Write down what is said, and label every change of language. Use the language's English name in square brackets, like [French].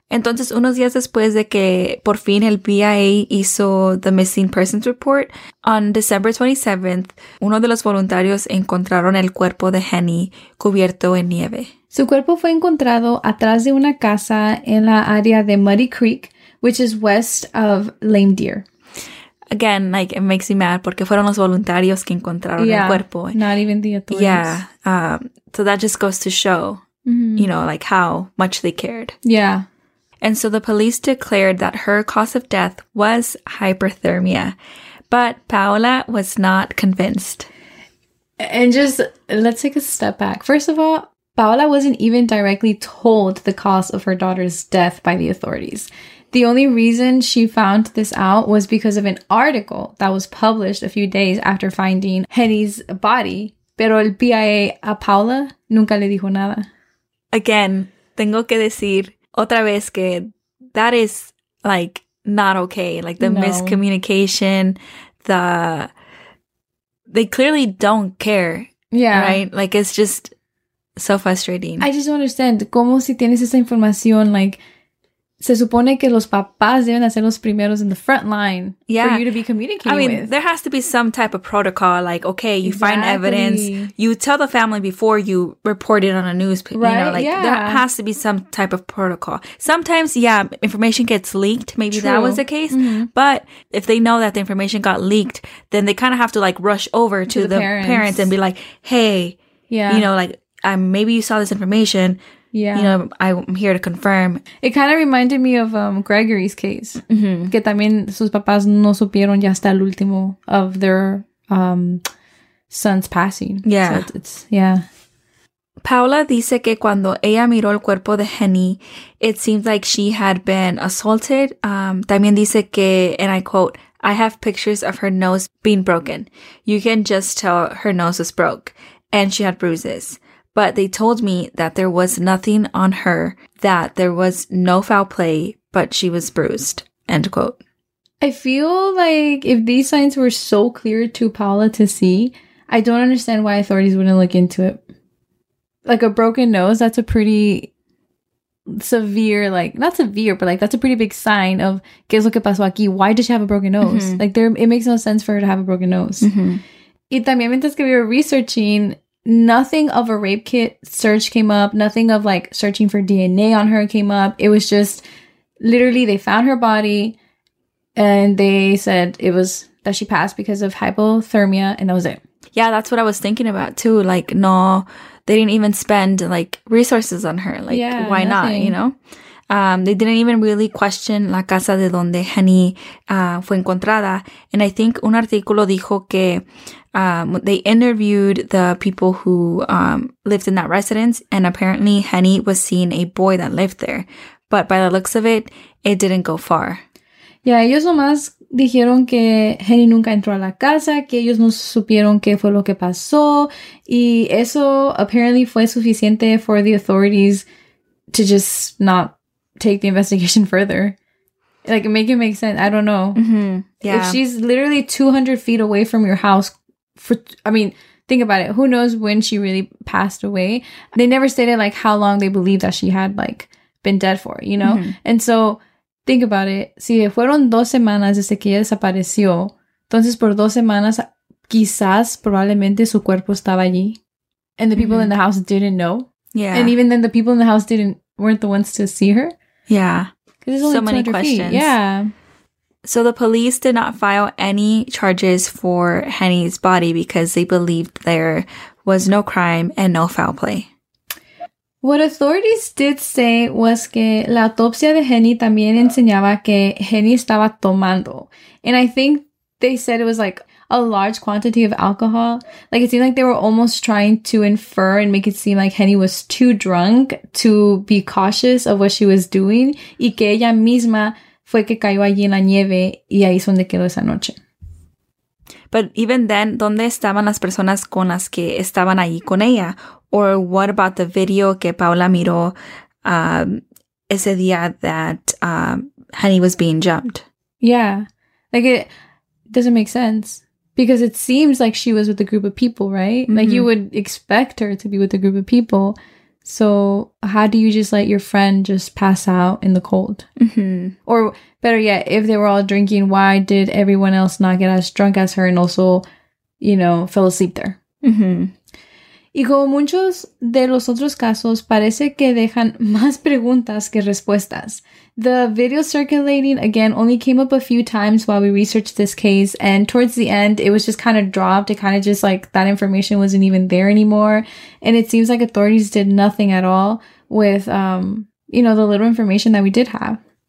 [Spanish] Entonces, unos días después de que por fin el BIA hizo [English] the missing persons report, on December 27th, [Spanish] uno de los voluntarios encontraron el cuerpo de Jenny cubierto en nieve. Su cuerpo fue encontrado atrás de una casa en la área de Muddy Creek, [English] which is west of Lame Deer. Again, like, it makes me mad [Spanish] porque fueron los voluntarios que encontraron el cuerpo. [English] Not even the authorities. Yeah. So that just goes to show, you know, like, how much they cared. Yeah. And so the police declared that her cause of death was hyperthermia. But Paola was not convinced. And just, let's take a step back. First of all, Paola wasn't even directly told the cause of her daughter's death by the authorities. The only reason she found this out was because of an article that was published a few days after finding Jenny's body. [Spanish] Pero el BIA a Paola nunca le dijo nada. [English] Again, [Spanish] tengo que decir... Otra vez que [English] that is, like, not okay. Like, the miscommunication, they clearly don't care. Yeah. Right? Like, it's just so frustrating. I just don't understand. [Spanish] ¿Cómo si tienes esa información? [English] Like, [Spanish] se supone que los papás deben hacer los primeros [English] in the front line for you to be communicating with. I mean, with. There has to be some type of protocol. Like, okay, you find evidence. You tell the family before you report it on a newspaper. Right? You know, like, there has to be some type of protocol. Sometimes, information gets leaked. Maybe that was the case. Mm-hmm. But if they know that the information got leaked, then they kind of have to, like, rush over to the parents and be like, hey, you know, like, maybe you saw this information. Yeah. You know, I'm here to confirm. It kind of reminded me of Gregory's case. Mm-hmm. [Spanish] Que también sus papás no supieron ya hasta el último [English] of their son's passing. Yeah. So it's. [Spanish] Paula dice que cuando ella miró el cuerpo de Jenny, [English] it seemed like she had been assaulted. [Spanish] También dice que, [English] and I quote, "I have pictures of her nose being broken. You can just tell her nose was broke and she had bruises. But they told me that there was nothing on her, that there was no foul play, but she was bruised." End quote. I feel like if these signs were so clear to Paula to see, I don't understand why authorities wouldn't look into it. Like, a broken nose, that's a pretty severe, like, not severe, but, like, that's a pretty big sign of, [Spanish] ¿qué es lo que pasó aquí? [English] Why does she have a broken nose? Mm-hmm. Like, it makes no sense for her to have a broken nose. Mm-hmm. [Spanish] Y también mientras que [English] we were researching... Nothing of a rape kit search came up. Nothing of, like, searching for DNA on her came up. It was just literally they found her body and they said it was that she passed because of hypothermia and that was it. Yeah, that's what I was thinking about too. Like, no, they didn't even spend, like, resources on her. Like, yeah, why nothing. Not, you know? They didn't even really question [Spanish] la casa de donde Jenny fue encontrada. [English] And I think [Spanish] un artículo dijo que [English] they interviewed the people who lived in that residence. And apparently Jenny was seeing a boy that lived there. But by the looks of it, it didn't go far. [Spanish] Yeah, ellos nomás dijeron que Jenny nunca entró a la casa, que ellos no supieron qué fue lo que pasó. Y eso [English] apparently [Spanish] fue suficiente [English] for the authorities to just not... take the investigation further. Like, make it make sense. I don't know. Mm-hmm. Yeah. If she's literally 200 feet away from your house, think about it. Who knows when she really passed away? They never stated, like, how long they believed that she had, like, been dead for, you know? Mm-hmm. And so think about it. [Spanish] Si fueron dos semanas desde que ella desapareció, entonces por dos semanas, quizás probablemente su cuerpo estaba allí. [English] And the people mm-hmm. in the house didn't know. Yeah. And even then, the people in the house didn't weren't the ones to see her. Yeah. Because there's only so many questions. Feet. Yeah. So the police did not file any charges for Henny's body because they believed there was no crime and no foul play. What authorities did say was [Spanish] que la autopsia de Henny también enseñaba que Henny estaba tomando. [English] And I think they said it was like a large quantity of alcohol. Like, it seemed like they were almost trying to infer and make it seem like Henny was too drunk to be cautious of what she was doing. [Spanish] Y que ella misma fue que cayó allí en la nieve y ahí es donde quedó esa noche. [English] But even then, [Spanish] ¿dónde estaban las personas con las que estaban allí con ella? [English] Or what about the video [Spanish] que Paula miró ese día [English] that Henny was being jumped? Yeah. Like, it doesn't make sense. Because it seems like she was with a group of people, right? Mm-hmm. Like, you would expect her to be with a group of people. So how do you just let your friend just pass out in the cold? Mm-hmm. Or better yet, if they were all drinking, why did everyone else not get as drunk as her and also, you know, fell asleep there? Mm-hmm. [Spanish] Y como muchos de los otros casos, parece que dejan más preguntas que respuestas. [English] The video circulating, again, only came up a few times while we researched this case. And towards the end, it was just kind of dropped. It kind of just, like, that information wasn't even there anymore. And it seems like authorities did nothing at all with, you know, the little information that we did have.